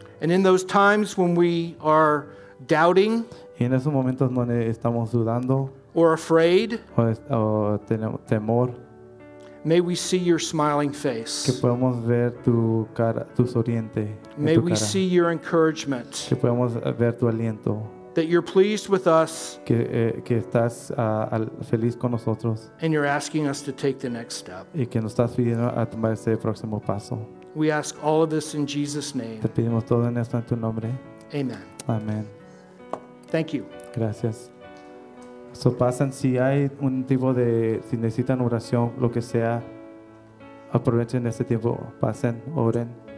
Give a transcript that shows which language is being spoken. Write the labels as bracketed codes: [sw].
[en] And in those times when we are doubting, [es] y en esos momentos donde estamos dudando, [en] or afraid, [es] o tenemos temor, [en] may we see your smiling face. [es] Que podamos ver tu cara, tu sonriente. [en] May we [es] cara. [en] See your encouragement. [es] Que podamos ver tu aliento. [en] That you're pleased with us. [es] Que estás feliz con nosotros. [en] And you're asking us to take the next step. [es] Y que nos estás pidiendo a tomar ese próximo paso. [en] We ask all of this in Jesus' name. [es] Te pedimos todo en esto en tu nombre. [en] Amen. [es] Amen. [en] Thank you. [es] Gracias. So pasan, si hay un tipo de, si necesitan oración, lo que sea, aprovechen este tiempo, pasen, oren.